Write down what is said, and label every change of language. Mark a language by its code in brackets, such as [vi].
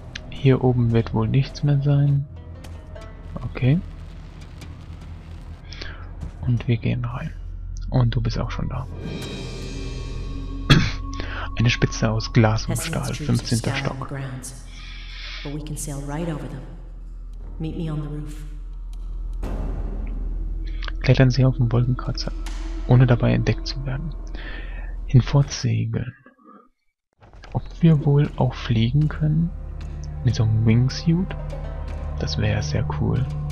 [de] Hier oben wird wohl nichts mehr sein. Okay. Und wir gehen rein. Und du bist auch schon da. Eine Spitze aus Glas und Stahl, 15. Stock. [en] But we can sail right over them. Meet me on the roof. [de] Klettern Sie auf den Wolkenkratzer, ohne dabei entdeckt zu werden. Hinfortsegeln. Ob wir wohl auch fliegen können? Mit so einem Wingsuit? Das wäre ja sehr cool.